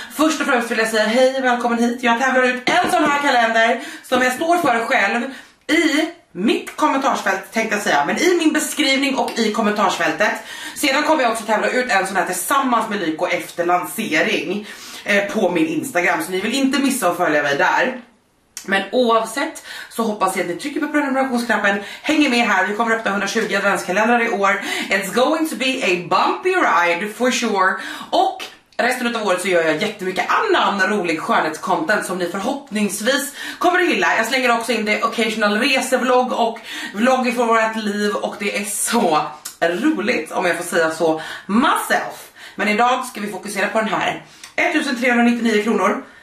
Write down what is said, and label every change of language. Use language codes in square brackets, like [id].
[sv] Först och främst vill jag säga hej, välkommen hit. Jag tävlar ut en sån här kalender som jag står för själv i mitt kommentarsfält, tänkte jag säga, men i min beskrivning och i kommentarsfältet. Sedan kommer jag också tävla ut en sån här tillsammans med Lyko efter lansering på min Instagram, så ni vill inte missa att följa mig där. Men oavsett så hoppas jag att ni trycker på prenumerationsknappen, hänger med här, vi kommer öppna 120 adventskalendrar i år. [en] It's going to be a bumpy ride for sure. [sv] Och resten av året så gör jag jättemycket annan rolig skönhetscontent som ni förhoppningsvis kommer att gilla. Jag slänger också in det occasional resevlogg och vlogg för vårt liv, och det är så roligt om jag får säga så [en] myself. [sv] Men idag ska vi fokusera på den här, 1399 kronor.